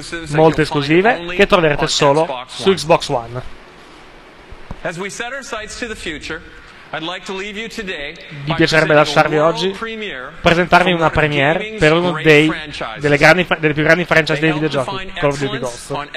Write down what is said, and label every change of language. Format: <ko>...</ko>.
<it>Molte esclusive che troverete solo su Xbox One.</it> <en>As we set our sights to the future. I'd like to leave you today.</en> <it>Mi piacerebbe lasciarvi oggi presentarvi una premiere per uno dei delle più grandi franchise dei videogiochi, Call of Duty Ghost.</it>